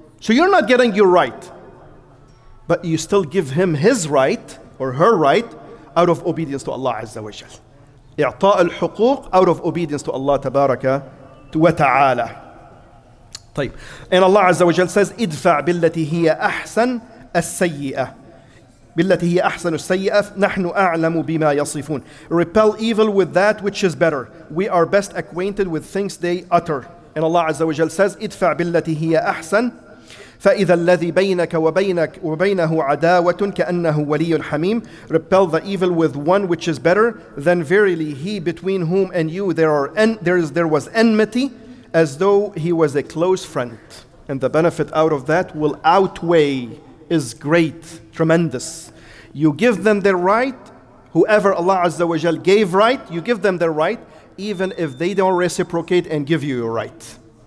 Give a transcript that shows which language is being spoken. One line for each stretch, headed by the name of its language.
English: So you're not getting your right, but you still give him his right or her right out of obedience to Allah Azza wa Jal.
Arabic: إعطاء الحقوق
English: out of obedience to Allah
Arabic: تبارك وتعالى. طيب.
English: And Allah Azza wa Jal says,
Arabic: ادفع بالتي هي أحسن السيئة. بالتي هي أحسن السيئة نحن أعلم بما يصفون.
English: Repel evil with that which is better. We are best acquainted with things they utter. And Allah Azza wa Jal says,
Arabic: ادفع بالتي هي أحسن فإذا الذي بينك وبينك وبينه عداوة كأنه ولي حميم.
English: Repel the evil with one which is better, then verily he between whom and you there was enmity, as though he was a close friend. And the benefit out of that will outweigh, is great, tremendous. You give them their right, whoever Allah Azza wa Jal gave right, you give them their right, even if they don't reciprocate and give you your right.